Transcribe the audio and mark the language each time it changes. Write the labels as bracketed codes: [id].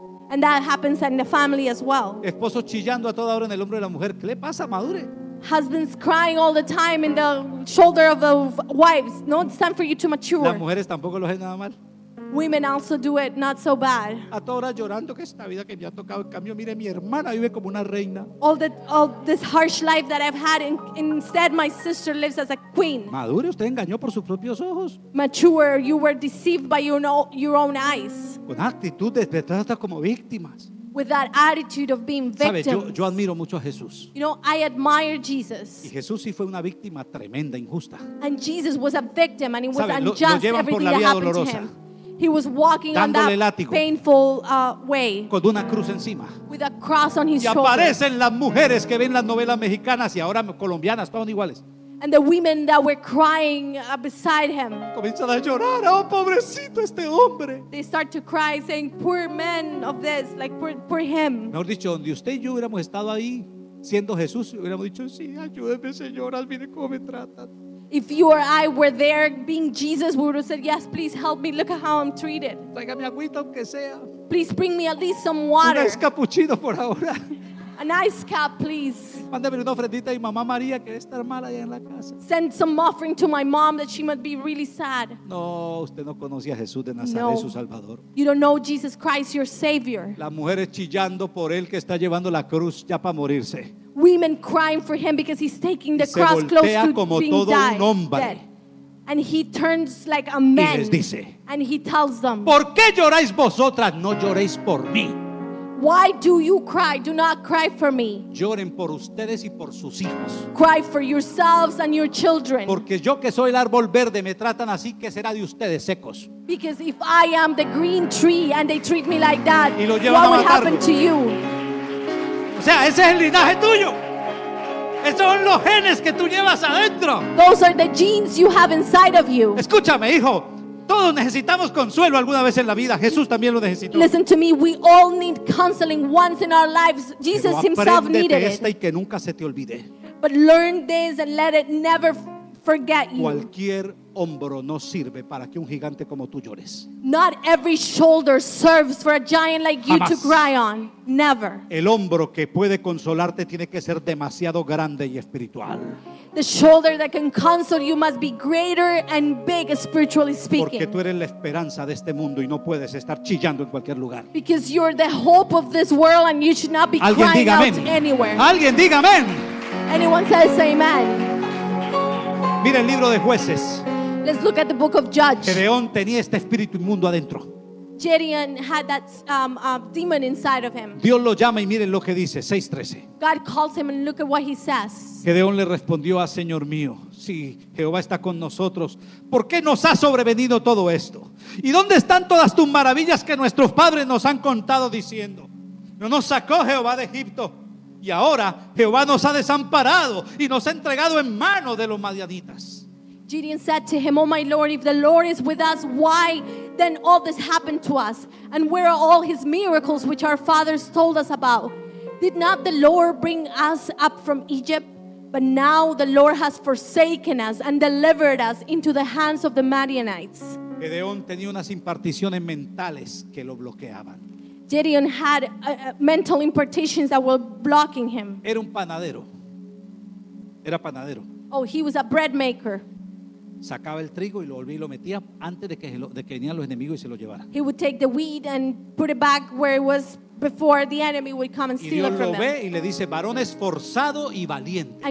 [en] And that happens in the family as well. [es] Esposo chillando a toda hora en el hombro de la mujer. ¿Qué le pasa? Madure. [en] Husbands crying all the time in the shoulder of the wives. No, it's time for you to mature. [es] Las mujeres tampoco lo hacen nada mal. [en] Women also do it not so bad. [es] A toda hora llorando que esta vida que me ha tocado en cambio, mire, mi hermana vive como una reina. [en] All this harsh life that I've had, instead my sister lives as a queen. [es] Madure, usted engañó por sus propios ojos. [en] Mature, you were deceived by your own eyes. [es] Con actitud de tratar hasta como víctimas. [en] With that attitude of being victims. [es] ¿Sabe? Yo admiro mucho a Jesús. [en] You know, I admire Jesus. [es] Y Jesús sí fue una víctima tremenda, injusta. [en] And Jesus was a victim and it was unjust [es] lo [en] everything that happened [es] dolorosa. [en] To him. He was walking [es] dándole [en] on that [es] látigo, [en] painful way. [es] Con una cruz encima. [en] With a cross on his shoulder. [es] Y aparecen shoulder. Las mujeres que ven las novelas mexicanas y ahora colombianas, todas iguales. [en] And the women that were crying beside him. [es] Comienzan a llorar, oh pobrecito este hombre. [en] They start to cry saying, poor man of this, like poor him. [es] Mejor dicho, donde usted y yo hubiéramos estado ahí, siendo Jesús, hubiéramos dicho, sí, ayúdeme señoras, mire cómo me tratan. [en] If you or I were there being Jesus, we would have said, yes, please help me. Look at how I'm treated. [es] Tráigame agüita, aunque sea. [en] Please bring me at least some water. [es] Un capuchino por ahora. [en] An ice cap, please. [es] Mándeme una ofrendita a mi mamá María, que debe estar mal allá en la casa. [en] Send some offering to my mom that she might be really sad. [es] No, usted no conocía a Jesús de Nazaret, no. Su Salvador. [en] You don't know Jesus Christ, your Savior. [es] Las mujeres chillando por él que está llevando la cruz ya para morirse. [en] Women crying for him because he's taking the cross close to being dead. And he turns like a man. [es] Y les dice, [en] and he tells them, [es] ¿por qué lloráis vosotras? No lloréis por mí. [en] Why do you cry? Do not cry for me. [es] Lloren por ustedes y por sus hijos. [en] Cry for yourselves and your children. [es] Porque yo que soy el árbol verde me tratan así, que será de ustedes secos. [en] Because if I am the green tree and they treat me like that, [es] y lo llevan [en] what would happen to you? [es] O sea, ese es el linaje tuyo. Esos son los genes que tú llevas adentro. [en] Those are the genes you have inside of you. [es] Escúchame, hijo. Todos necesitamos consuelo alguna vez en la vida. Jesús también lo necesitó. [en] Listen to me, we all need counseling once in our lives. Jesus himself needed it. [es] Y que nunca se te olvide. [en] But learn this and let it never forget you. [es] Cualquier hombro no sirve para que un gigante como tú llores. [en] Not every shoulder serves for a giant like you. [es] Jamás. [en] To cry on. Never. [es] El hombro que puede consolarte tiene que ser demasiado grande y espiritual. [en] The shoulder that can console you must be greater and big, spiritually speaking. [es] Porque tú eres la esperanza de este mundo y no puedes estar chillando en cualquier lugar. [en] Because you're the hope of this world and you should not be [es] alguien [en] crying [es] diga [en] out [es] amen. [en] Anywhere. [es] Alguien diga amén. [en] Anyone says amen. [es] Mira el libro de jueces. [en] Let's look at the book of Judges. [es] Gedeón tenía este espíritu inmundo adentro. [en] Gideon had that demon inside of him. [es] Dios lo llama y miren lo que dice, 6:13. [en] God calls him and look at what he says. [es] Gedeón le respondió a Señor mío, si Jehová está con nosotros, ¿por qué nos ha sobrevenido todo esto? ¿Y dónde están todas tus maravillas que nuestros padres nos han contado diciendo? ¿No nos sacó Jehová de Egipto? Y ahora Jehová nos ha desamparado y nos ha entregado en manos de los madianitas. [en] Gideon said to him, oh my Lord, if the Lord is with us, why then all this happened to us? And where are all his miracles which our fathers told us about? Did not the Lord bring us up from Egypt? But now the Lord has forsaken us and delivered us into the hands of the Midianites. [es] Gedeón tenía unas imparticiones mentales que lo bloqueaban. [en] Gideon had mental impartations that were blocking him. [es] Era un panadero. Era panadero. [en] Oh, he was a bread maker. [es] Sacaba el trigo y lo volvía y lo metía antes de que venían los enemigos y se lo llevara. [en] He would take the wheat and put it back where it was before the enemy would come and steal it from him. [es] Y Dios lo ve y le dice, varón esforzado y valiente.